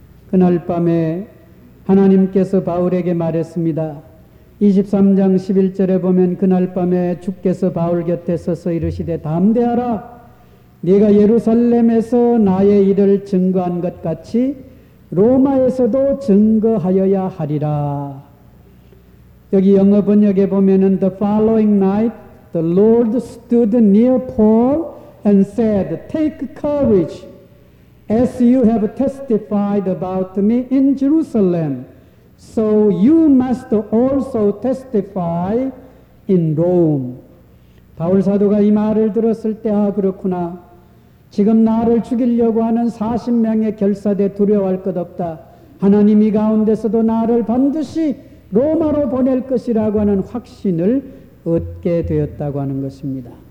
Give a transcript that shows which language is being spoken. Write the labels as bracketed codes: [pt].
[ko] 그날 밤에 하나님께서 바울에게 말했습니다. 23장 11절에 보면 그날 밤에 주께서 바울 곁에 서서 이르시되 담대하라. 네가 예루살렘에서 나의 일을 증거한 것 같이 로마에서도 증거하여야 하리라. 여기 영어 번역에 보면은 [en] The following night the Lord stood near Paul and said, Take courage, as you have testified about me in Jerusalem, so you must also testify in Rome. [ko] 바울 사도가 이 말을 들었을 때, 아 그렇구나. 지금 나를 죽이려고 하는 40명의 결사대 두려워할 것 없다. 하나님이 가운데서도 나를 반드시 로마로 보낼 것이라고 하는 확신을 얻게 되었다고 하는 것입니다.